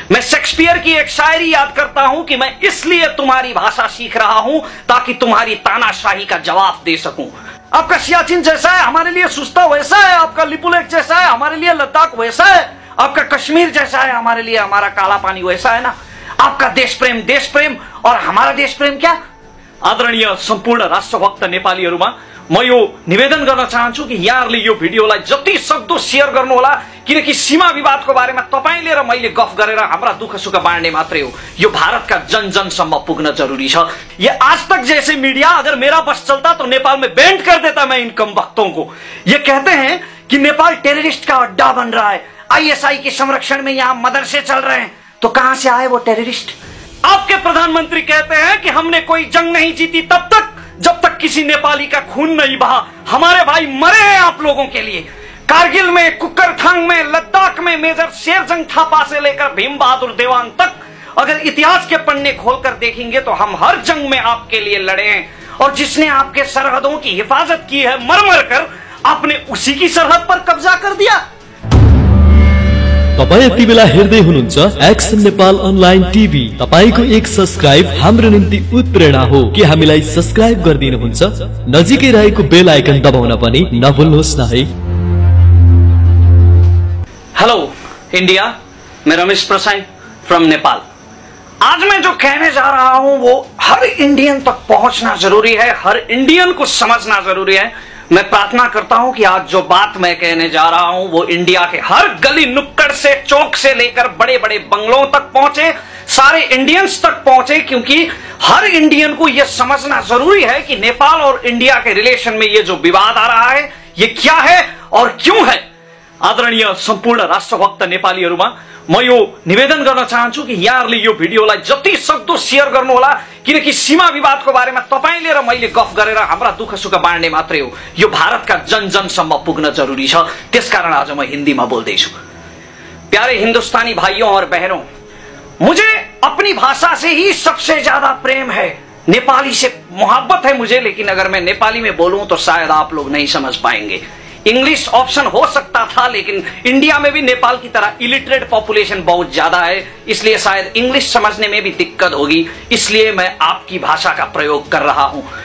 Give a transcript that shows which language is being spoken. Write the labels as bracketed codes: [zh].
[hi] मैं शेक्सपियर की एक शायरी याद करता हूं कि मैं इसलिए तुम्हारी भाषा सीख रहा हूं ताकि तुम्हारी तानाशाही का जवाब दे सकूं। आपका सियाचिन जैसा है हमारे लिए सुस्ता वैसा है, आपका लिपुलेख जैसा है हमारे लिए लद्दाख वैसा है, आपका कश्मीर जैसा है हमारे लिए हमारा काला पानी वैसा है ना। आपका देश प्रेम देश प्रेम, और हमारा देश प्रेम क्या? [ne] आदरणीय सम्पूर्ण राष्ट्रभक्त नेपालीहरूमा म यो निवेदन गर्न चाहन्छु कि यहाँहरूले यो भिडियोलाई जति सक्दो सेयर गर्नुहोला, किनकि सीमा विवादको बारेमा तपाईँले र मैले गफ गरेर हाम्रा दुःख सुख बाँड्ने मात्रै हो, यो भारतका जन जनसम्म पुग्न जरुरी छ। [hi] ये आज तक जैसे मिडिया अगर मेरा बस चलता तो नेपालमा ब्यान्ड कर देता मैं इन कम भक्तों को। ये कहते हैं कि नेपाल टेररिस्टका अड्डा बन रहा है, आईएसआई के संरक्षण में यहाँ मदरसे चल रहे हैं, तो कहाँ से आए वो टेररिस्ट? आपके प्रधानमंत्री कहते हैं कि हमने कोई जंग नहीं जीती तब तक जब तक किसी नेपाली का खून नहीं बहा। हमारे भाई मरे हैं आप लोगों के लिए, कारगिल में, कुकरथांग में, लद्दाख में, मेजर शेरजंग थापा से लेकर भीमबहादुर देवान तक अगर इतिहास के पन्ने खोलकर देखेंगे तो हम हर जंग में आपके लिए लड़े हैं, और जिसने आपके सरहदों की हिफाजत की है मर मर कर, आपने उसी की सरहद पर कब्जा कर दिया। [ne] तपाईं यति बेला हेर्दै हुनुहुन्छ एक्सन नेपाल अनलाइन टिभी। तपाईँको एक सब्सक्राइब हाम्रो निम्ति उत्प्रेरणा हो। के हामीलाई सब्सक्राइब गरिदिनुहुन्छ? नजिकै रहेको बेल आइकन दबाउन पनि नभुल्नुहोस् न है। [hi] हेलो इन्डिया, मैं रमेश प्रसाई फ्रम नेपाल। आज मैं जो कहने जा रहा हूँ वो हर इंडियन तक पहुँचना जरूरी है, हर इंडियन को समझना जरूरी है। मैं प्रार्थना करता हूं कि आज जो बात मैं कहने जा रहा हूं वो इंडिया के हर गली नुक्कड़ से चौक से लेकर बड़े बड़े बंगलों तक पहुंचे, सारे इंडियंस तक पहुंचे, क्योंकि हर इंडियन को यह समझना जरूरी है कि नेपाल और इंडिया के रिलेशन में ये जो विवाद आ रहा है ये क्या है और क्यों है। [ne] आदरणीय सम्पूर्ण राष्ट्रभक्त नेपालीहरूमा म यो निवेदन गर्न चाहन्छु कि यहाँहरूले यो भिडियोलाई जति सक्दो सेयर गर्नुहोला, किनकि सीमा विवादको बारेमा तपाईँले र मैले गफ गरेर हाम्रा दुःख सुख बाँड्ने मात्रै हो, यो भारतका जन जनसम्म पुग्न जरुरी छ। त्यसकारण आज म हिन्दीमा बोल्दैछु। [hi] प्यारे हिन्दुस्तानी भाइयों और बहनों, मुझे अपनी भाषा से ही सबसे ज्यादा प्रेम है, नेपाली से मोहब्बत है मुझे, लेकिन अगर मैं नेपाली में बोलूं तो शायद आप लोग नहीं समझ पाएंगे। इंग्लिश ऑप्शन हो सकता था, लेकिन इंडिया में भी नेपाल की तरह इलिटरेट पॉपुलेशन बहुत ज्यादा है, इसलिए शायद इंग्लिश समझने में भी दिक्कत होगी, इसलिए मैं आपकी भाषा का प्रयोग कर रहा हूं।